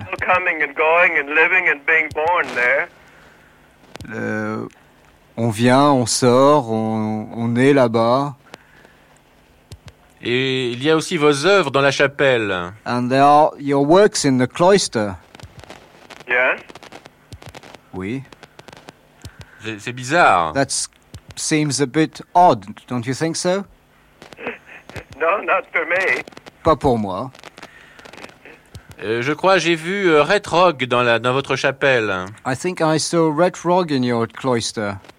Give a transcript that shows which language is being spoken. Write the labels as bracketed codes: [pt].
[en] People coming and going and living and being born there. [fr] On vient, on sort, on est là-bas. Et il y a aussi vos œuvres dans la chapelle. [en] And there are your works in the cloister. Yes. [fr] Oui. C'est bizarre. [en] That seems a bit odd, don't you think so? No, not for me. [fr] Pas pour moi. Je crois j'ai vu Red Rogue dans votre chapelle. [en] I think I saw Red Rogue in your cloister.